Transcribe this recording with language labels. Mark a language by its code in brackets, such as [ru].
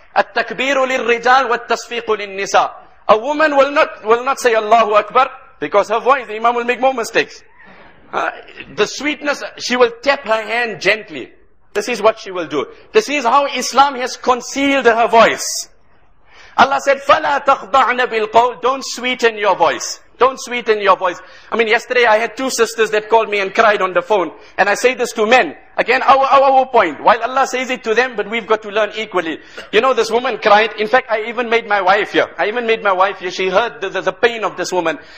[ar] At-takbiru lil-rijal wa-tasfiqu lil-nisa. [en] A woman will not say, Allahu Akbar. Because her voice, the imam will make more mistakes. The sweetness, she will tap her hand gently. This is what she will do. This is how Islam has concealed her voice. [ar] Allah said, فَلَا تَخْضَعْنَ بِالْقَوْلِ. [en] Don't sweeten your voice. Don't sweeten your voice. I mean, yesterday I had two sisters that called me and cried on the phone. And I say this to men. Again, our point. While Allah says it to them, but we've got to learn equally. You know, this woman cried. In fact, I even made my wife here. She heard the pain of this woman.